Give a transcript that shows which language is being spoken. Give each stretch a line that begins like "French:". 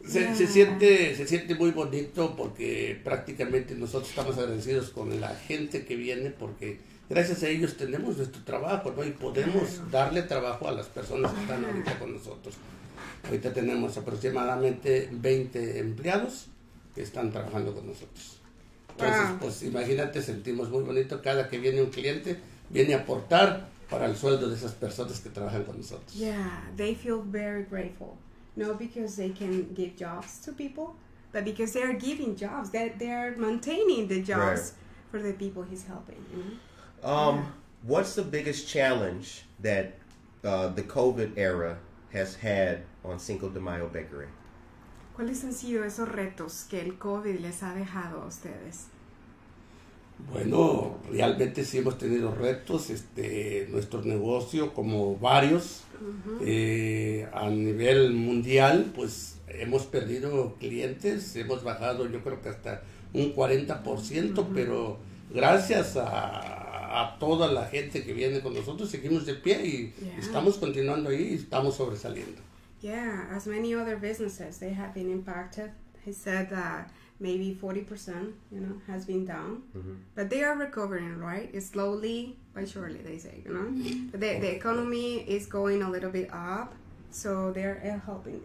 Spanish: Se siente muy bonito porque prácticamente nosotros estamos agradecidos con la gente que viene porque gracias a ellos tenemos nuestro trabajo, ¿no? Y podemos darle trabajo a las personas que están ahorita con nosotros. Ahorita tenemos aproximadamente 20 empleados que están trabajando con nosotros. Entonces, wow, pues imagínate, sentimos muy bonito cada que viene un cliente, viene a aportar para el sueldo de esas personas que trabajan con nosotros.
English: Yeah, they feel very grateful. No because they can give jobs to people, but because they are giving jobs, that they are maintaining the jobs, right, for the people he's helping. You know? What's the biggest challenge that the COVID era has had on Cinco de Mayo Bakery?
Spanish: ¿Cuáles han sido esos retos que el COVID les ha dejado a ustedes? Bueno, realmente sí hemos tenido retos. Nuestro negocio, como varios, uh-huh, a nivel mundial, pues hemos perdido clientes. Hemos bajado, yo creo que hasta un 40%, uh-huh, pero gracias a toda la gente que viene con nosotros, seguimos de pie y yeah, estamos continuando ahí y estamos sobresaliendo.
English: Yeah, as many other businesses, they have been impacted. He said that maybe 40%, you know, has been down. Mm-hmm. But they are recovering, right? Slowly but surely, they say, you know. The economy is going a little bit up, so they're helping.